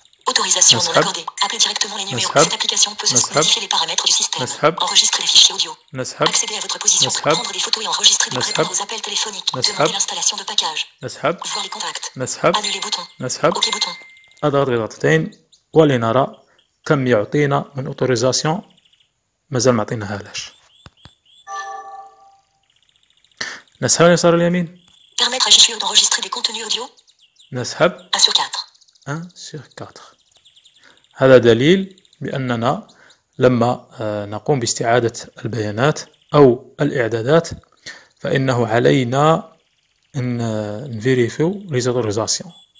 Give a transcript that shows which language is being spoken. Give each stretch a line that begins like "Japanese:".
French: Autorisation non accordée. Appelez directement les numéros. Cette application peut modifier les paramètres du système.
Arabic: نسحب.
French: Enregistrer les fichiers audio.
Arabic: نسحب.
French: Accéder à votre position.
Arabic: نسحب.
French: Prendre des photos et enregistrer des
Arabic: نسحب.
French: Vos appels téléphoniques.
Arabic: نسحب.
French: Demander l'installation de package.
Arabic: نسحب.
French: Voir les contacts.
Arabic: نسحب.
French: Annuler bouton.
Arabic: نسحب.
French: OK bouton.
Arabic: أضغط بضغطتين ولنرى كم يعطينا من أوتوريزاسيون. مازال ما عطيناها لاش. نسحب اليسار اليمين.
French: Permettre à Jishio d'enregistrer des contenus audio.
Arabic: نسحب.
French: 1 sur 4. 1 sur 4.
Arabic: هذا دليل بأننا لما نقوم باستعادة البيانات أو الإعدادات فإنه علينا أن نفيريفيو
French: ليز أوتوريزاسيون.